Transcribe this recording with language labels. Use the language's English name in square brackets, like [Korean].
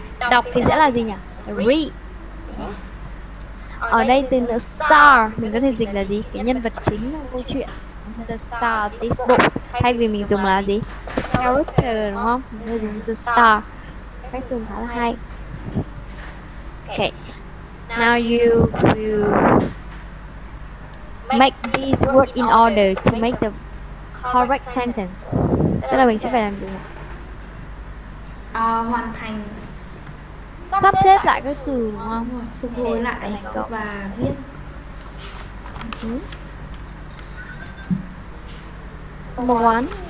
[Vietnamese] Đọc thì sẽ là gì nhỉ? [English] Read. [Vietnamese] Ở đây từ the star mình có thể dịch là gì? Cái nhân vật chính trong câu chuyện. [English] The star of this book. [Vietnamese] Thay vì mình dùng là gì? Character đúng không? Mình có thể dùng the star. Cách dùng khá là hay. Okay. [English] Now you will make this word in order to make the correct sentence. [Vietnamese] Tức là mình sẽ phải làm gì? Hoàn thành sắp xếp lại các từ đúng không? Phục hồi lại và viết. Number one.